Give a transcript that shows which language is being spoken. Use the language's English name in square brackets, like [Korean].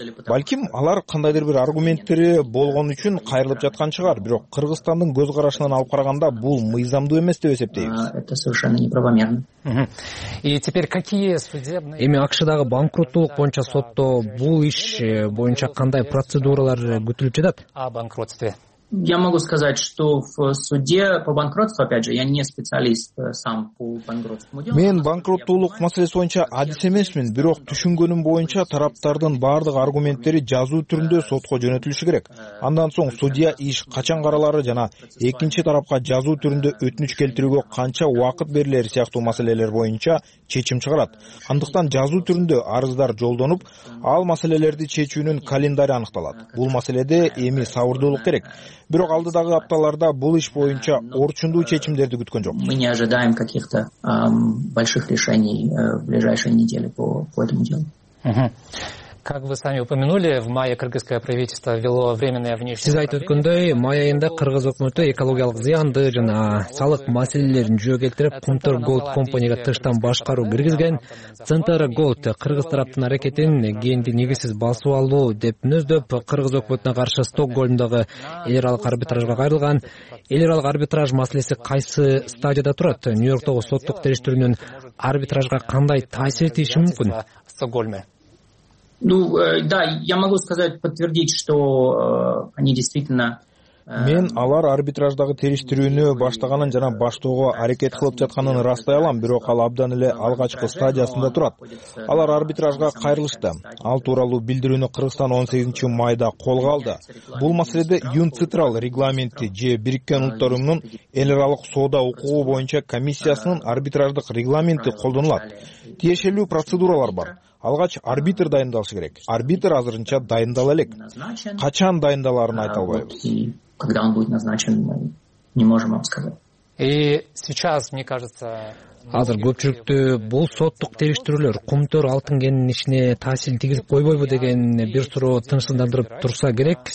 [Kyrgyz] Балким алар кандайдыр бир аргументтери болгон үчүн кайрылып жаткан чыгар, бирок Кыргызстандын көз карашынан алып караганда бул мыйзамдуу эмес деп эсептейбиз. [Russian] Это совершенно неправомерно. И теперь какие судебные... [Kyrgyz] Эми АКШ-дагы банкроттулук боюнча сотто бул иш боюнча кандай процедуралар күтүлүп жатат? [Russian] А банкротстве. Я могу сказать, что в суде по банкротству, опять же, я не специалист сам по банкротскому делу. [Kyrgyz] Мен банкроттулук маселеси боюнча адис эмесмин, бирок түшүнгөнүм боюнча тараптардын баардык аргументтери жазуу түрүндө сотко жөнөтүлүшү керек. Андан соң судья иш качан каралары жана экинчи тарапка жазуу түрүндө өтүнүч келтирүүгө канча убакыт берилери сыяктуу маселелер боюнча чечим чыгарат. Андыктан жазуу түрүндө арыздар жолдонуп, ал маселелерди чечүүнүн календари аныкталат. Бул маселеде эми сабырдуулук керек. Бирок алдыдагы апталарда бул иш боюнча орчундуу чечимдерди күткөн жок. [Russian] Мы не ожидаем каких-то больших решений в ближайшие недели по этому делу. Как вы сами упомянули, в мае кыргызское правительство ввело временное внешнее... [Kyrgyz] Сиз айтып өткөндөй, май айында кыргыз өкмөтү экологиялык зыянды жана салык маселелерин жүйө келтирип, Кунтур Голд компанияга тыштан башкаруу киргизген. Центр Голд кыргыз тараптын аракетин кенди негизсиз басып алуу деп мүнөздөп, кыргыз өкмөтүнө каршы Стокгольмдогу эл аралык арбитражга кайрылган. Эл аралык арбитраж маселеси кайсы стадияда турат? Нью-Йорктогу соттук териштирүүнүн арбитражга кандай таасир этиши мүмкүн? [Russian] Ну, да, я могу сказать, подтвердить, что они действительно... [Kyrgyz] Мен алар арбитраждагы териштирүүнү баштаганын жана баштоого аракет кылып жатканын ырастай алам, бирок ал абдан эле алгачкы стадиясында турат. Алар арбитражга кайрылышты. Ал тууралуу билдирүүнү Кыргызстан 18 майда колго алды. Бул маселеде ЮНЦИТРАЛ регламенти же Бириккен Улуттар Уюмунун эл аралык соода укугу боюнча комиссиясынын арбитраждык регламенти колдонулат. Тиешелүү процедуралар бар. Алгач арбитр дайындалышы керек. Арбитр азырынча дайындала элек. Качан дайындаларын айта албайбыз. [Russian] Когда он будет назначен, не можем вам сказать. И сейчас, мне кажется... [Kyrgyz] Азыр көпчүлүктү бул соттук териштирүүлөр Кумтөр Алтын кенинин ишине таасирин тийгизип койбойбу деген бир суроо тынчсыздандырып турса керек.